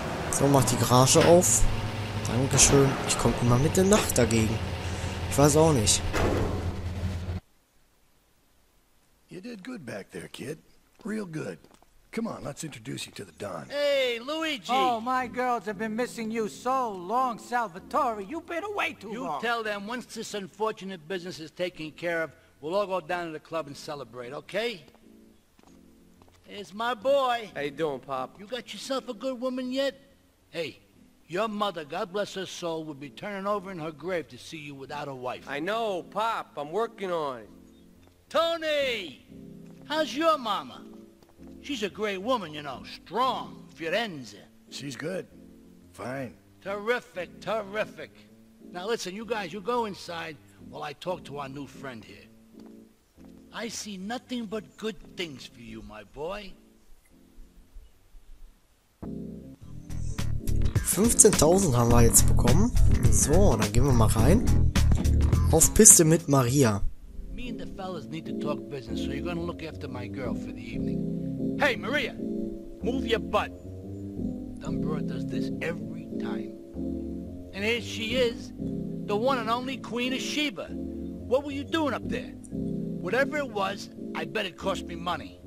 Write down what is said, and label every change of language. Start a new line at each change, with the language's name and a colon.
German: So, mach die Garage auf. Dankeschön. Ich komme immer mit der Nacht dagegen. Ich weiß auch nicht.
English: You did good back there, kid. Real good. Come on, let's introduce you to the Don. Hey, Luigi! Oh, my girls have been missing you so long, Salvatore. You've been away too long. You tell them once this unfortunate business is taken care of, we'll all go down to the club and celebrate, okay? Here's my boy. How you doing, Pop? You got yourself a good woman yet? Hey, your mother, God bless her soul, would be turning over in her grave to see you without a wife. I know, Pop. I'm working on it. Tony! How's your mama? She's a great woman, you know. Strong. Firenze. She's good. Fine. Terrific. Terrific. Now listen, you guys, you go inside while I talk to our new friend here. I see nothing but good things for you, my boy.
German: 15.000 haben wir jetzt bekommen. So, dann gehen wir mal rein. Auf Piste mit Maria.
English: Me and the fellas need to talk business, so you're gonna look after my girl for the evening. Hey, Maria! Move your butt! Dumb broad does this every time. And here she is, the one and only Queen of Sheba. What were you doing up there? Whatever it was, I bet it cost me money.